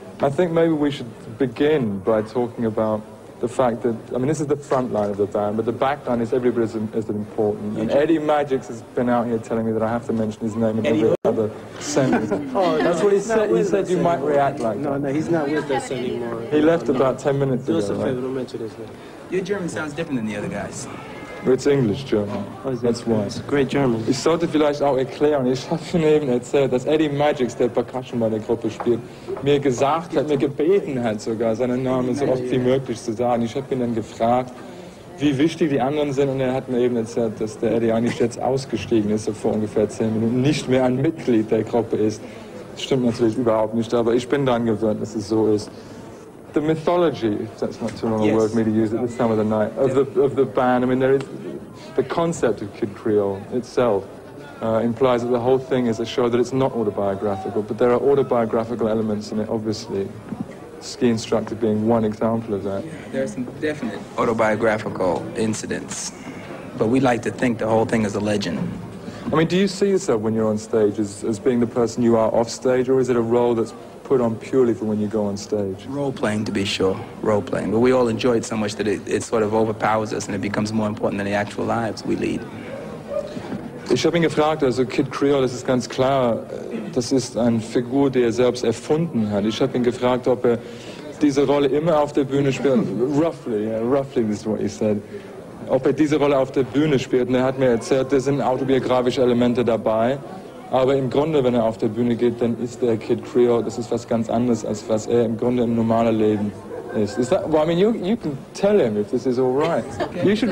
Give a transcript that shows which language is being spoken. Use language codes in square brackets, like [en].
[en] I think maybe we should begin by talking about the fact that, I mean, this is the front line of the band, but the back line is everybody is important. And Eddie Magix has been out here telling me that I have to mention his name in every other sentence. That's what he said. He said you might react like that. No, he's not with us anymore. He left about 10 minutes ago. Do us a favor, don't mention his name. Your German sounds different than the other guys. It's English German. That's why. It's great German. [de] Ich sollte vielleicht auch erklären, ich habe schon eben erzählt, dass Eddie Magix, der Percussion bei der Gruppe spielt, mir gesagt hat, mir gebeten hat sogar, seinen Namen so oft wie möglich zu sagen. Ich habe ihn dann gefragt, wie wichtig die anderen sind, und er hat mir eben erzählt, dass der Eddie eigentlich jetzt ausgestiegen ist, so vor ungefähr 10 Minuten, nicht mehr ein Mitglied der Gruppe ist. Das stimmt natürlich überhaupt nicht, aber ich bin daran gewöhnt, dass es so ist. [en] The mythology, if that's not too long a word for me to use at this time of the night, of the band, I mean, there is the concept of Kid Creole itself implies that the whole thing is a show that it's not autobiographical, but there are autobiographical elements in it, obviously. Ski Instructor being one example of that. Yeah, there are some definite autobiographical incidents, but we like to think the whole thing is a legend. I mean, do you see yourself when you're on stage as being the person you are off stage, or is it a role that's put on purely for when you go on stage? Role-playing, to be sure. Role-playing. But we all enjoy it so much that it sort of overpowers us and it becomes more important than the actual lives we lead. [de] Ich habe ihn gefragt, also Kid Creole, das ist ganz klar, das ist eine Figur, die selbst erfunden hat. Ich habe ihn gefragt, ob diese Rolle immer auf der Bühne spielt. [en] Roughly, yeah, roughly this is what he said. [de] Ob diese Rolle auf der Bühne spielt. Und hat mir erzählt, da sind autobiografische Elemente dabei. Aber im Grunde, wenn auf der Bühne geht, dann ist der Kid Creole, das ist was ganz anderes, als was im Grunde im normalen Leben ist. [en] Is that, well, I mean, you can tell him if this is all right. Okay.